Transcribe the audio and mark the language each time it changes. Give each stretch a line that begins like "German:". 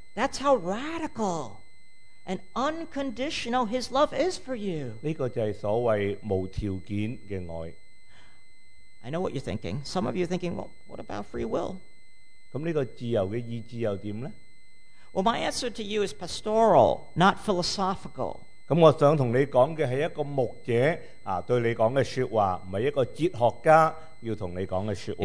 English: That's how radical and unconditional his love is for you.
Cantonese: 呢個就係所謂無條件嘅愛。
English: I know what you're thinking. Some of you are thinking, well, what about free will?
Cantonese: 咁呢個自由嘅意志又點咧？
English: Well, my answer to you is pastoral, not philosophical.
Cantonese: 咁我想同你講嘅係一個牧者對你講嘅說話，唔係一個哲學家要同你講嘅說話。